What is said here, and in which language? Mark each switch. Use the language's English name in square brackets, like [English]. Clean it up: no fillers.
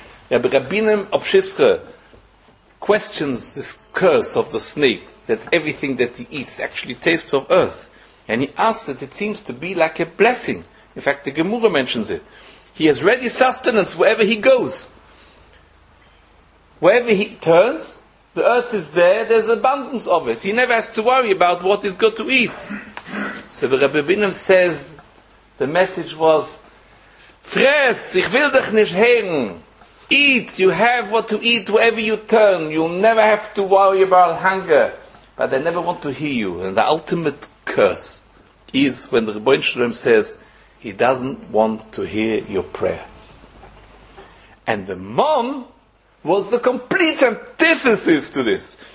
[English] Rabbi Rabbinim of Shishre questions this curse of the snake, that everything that he eats actually tastes of earth. And he asks that it seems to be like a blessing. In fact, the Gemara mentions it. He has ready sustenance wherever he goes. Wherever he turns, the earth is there, there's abundance of it. He never has to worry about what he's got to eat. So the Rabbi Binam says, the message was, [German] Fress, ich will dich nicht hören. [English] Eat, you have what to eat wherever you turn. You'll never have to worry about hunger. But they never want to hear you. And the ultimate curse is when the Rebbein Shalom says, he doesn't want to hear your prayer. And the mon was the complete antithesis to this.